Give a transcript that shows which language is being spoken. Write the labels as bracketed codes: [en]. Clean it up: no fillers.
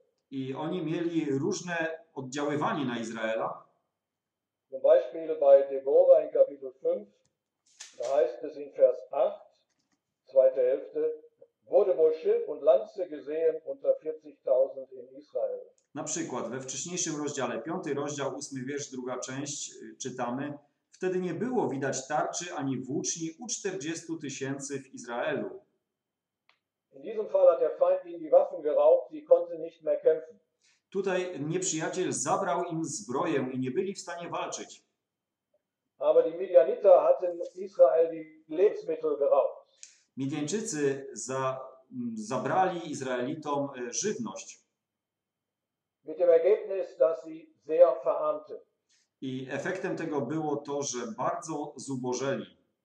[pl] I oni mieli różne oddziaływanie na Izraela. [de] Zum Beispiel bei Deborah in Kapitel 5, da heißt es in Vers 8, zweite Hälfte, wurde wohl Schild und Lanze gesehen unter 40.000 in Israel. [pl] Na przykład we wcześniejszym rozdziale, 5 rozdział, 8 wiersz, druga część, czytamy: wtedy nie było widać tarczy ani włóczni u 40 tysięcy w Izraelu. [de] In diesem Fall hat der Feind ihnen die Waffen geraubt, sie konnten nicht mehr kämpfen. [pl] Tutaj nieprzyjaciel zabrał im zbroję i nie byli w stanie walczyć. [de] Aber die Midianiter hatten Israel die Lebensmittel geraubt. [pl] Midianczycy zabrali Izraelitom żywność. [de] Mit dem Ergebnis, dass sie sehr verarmte. [pl] I efektem tego było to, że bardzo zubożeli.